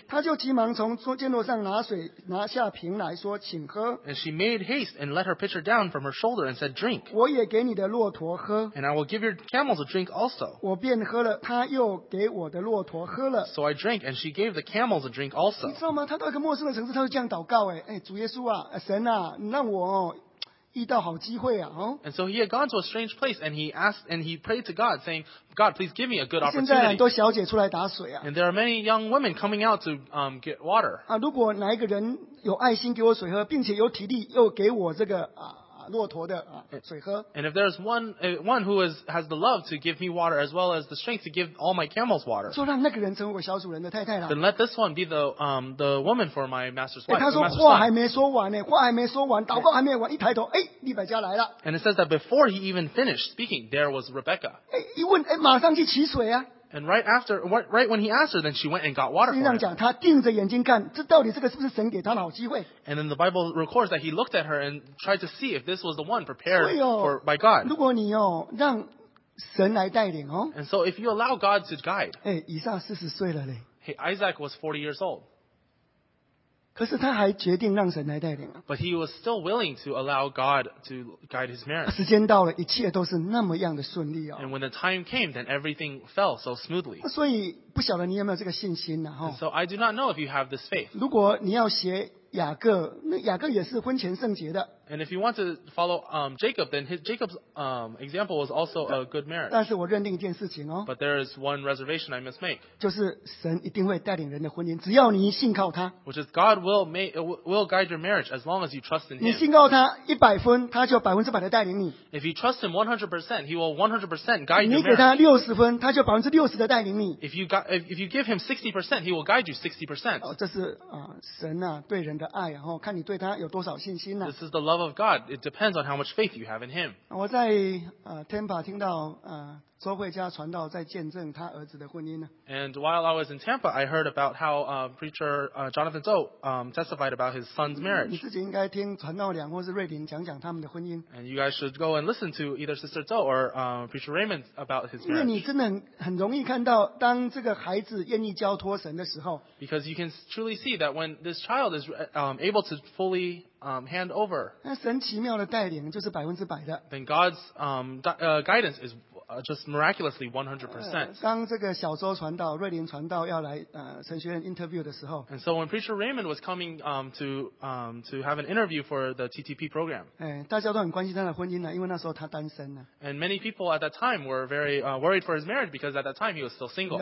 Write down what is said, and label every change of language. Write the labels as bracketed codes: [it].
[zh] 她就急忙从肩头上拿水拿下瓶来说，请喝。 [en] And she made haste and let her pitcher down from her shoulder and said, drink. [zh] 我也给你的骆驼喝。 [en] And I will give your camels a drink also. [zh] 我便喝了，她又给我的骆驼喝了。 [en] So I drank, and she gave the camels a drink also. [zh] 你知道吗？她到一个陌生的城市，她就这样祷告，主耶稣啊，神啊，让我遇到好机会啊。 [en] And so he had gone to a strange place, and he prayed to God, saying, God, please give me a good opportunity. [zh] 现在很多小姐出来打水啊。 [en] And there are many young women coming out to get water. [zh] 如果哪一个人有爱心给我水喝，并且有体力又给我这个骆驼的水喝。 [en] And if there is one who has the love to give me water as well as the strength to give all my camels water, [zh] 就让那个人成为我小主人的太太啦。 [en] Then let this one be the woman for my master's wife. [zh] 他说话还没说完呢，话还没说完，祷告还没完，一抬头，利百加来了。 [en] And it says that before he even finished speaking, there was Rebecca. [zh] 一问，马上去取水啊。 [en] And right when he asked her, then she went and got water. [zh] 经常讲，他定着眼睛看，这到底这个是不是神给他的好机会 [en] ？And then the Bible records that he looked at her and tried to see if this was the one prepared for by God. [zh] 如果你让神来带领 [en] And so if you allow God to guide, [zh] 以撒四十岁了嘞。 [en] Hey, Isaac was 40 years old. [zh] 可是他还决定让神来带领。 [en] But he was still willing to allow God to guide his marriage. [zh] 时间到了，一切都是那么样的顺利 [en] And when the time came, then everything fell so smoothly. [zh] 所以不晓得你有没有这个信心呢？哈。 [en] So I do not know if you have this faith. [zh] 如果你要学雅各，那雅各也是婚前圣洁的。 [en] And if you want to follow Jacob, then Jacob's example was also a good marriage. [zh] 但是我认定一件事情 [en] But there is one reservation I must make. [zh] 就是神一定会带领人的婚姻，只要你信靠他。 [en] Which is God will guide your marriage as long as you trust in Him. [zh] 你信靠他100分，他就100%的带领你。 [en] If you trust Him 100%, He will 100% guide you. [zh] 你给他60分，他就60%的带领你。 [en] If you give Him 60%, He will guide you 60%. [zh] 这是神对人的爱，看你对他有多少信心 [en] This is the love of God. It depends on how much faith you have in Him. [zh] 我在Tampa 听到周慧佳传道在见证他儿子的婚姻呢。 [en] And while I was in Tampa, I heard about how preacher Jonathan Zhou testified about his son's marriage. [zh] 你自己应该听传道两或是瑞林讲讲他们的婚姻。 [en] And you guys should go and listen to either Sister Zhou or preacher Raymond about his marriage. [zh] 因为你真的很容易看到，当这个孩子愿意交托神的时候。 [en] Because you can truly see that when this child is able to fully hand over. [zh] 那神奇妙的带领就是100%的。 [en] Then God's guidance is just miraculously 100%. [zh] 当这个小周传道、瑞林传道要来神学院 interview 的时候 [en] ，And so when preacher Raymond was coming to have an interview for the TTP program, [zh] 大家都很关心他的婚姻因为那时候他单身 [en] And many people at that time were very worried for his marriage because at that time he was still single.